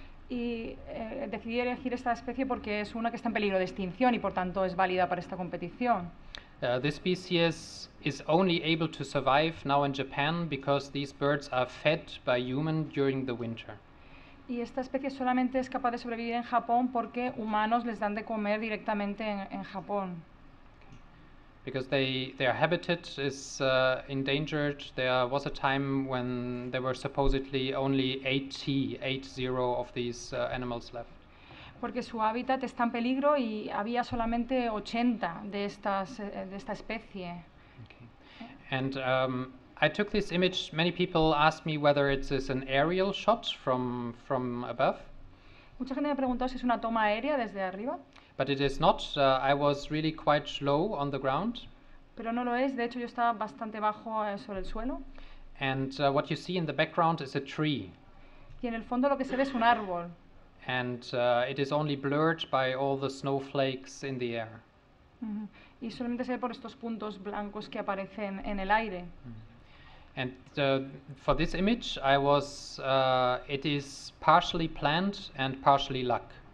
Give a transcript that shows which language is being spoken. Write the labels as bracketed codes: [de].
[es] Y decidí elegir esta especie porque es una que está en peligro de extinción y por tanto es válida para esta competición. [en] This species is only able to survive now in Japan because these birds are fed by human during the winter. [es] Y esta especie solamente es capaz de sobrevivir en Japón porque humanos les dan de comer directamente en Japón. [en] Because their habitat is endangered. There was a time when there were supposedly only 80 of these animals left. [es] Porque su hábitat está en peligro y había solamente 80 de esta especie. [en] Okay. And I took this image. Many people asked me whether it is an aerial shot from above. [es] Mucha gente me preguntó si es una toma aérea desde arriba. [en] But it is not. I was really quite low on the ground. [es] Pero no lo es. De hecho, yo estaba bastante bajo sobre el suelo. [en] And what you see in the background is a tree. [es] Y en el fondo lo que se ve es un árbol. [en] And it is only blurred by all the snowflakes in the air. [es] Y solamente se ve por estos puntos blancos que aparecen en el aire. [en] And for this image, I was, it is partially planned and partially luck.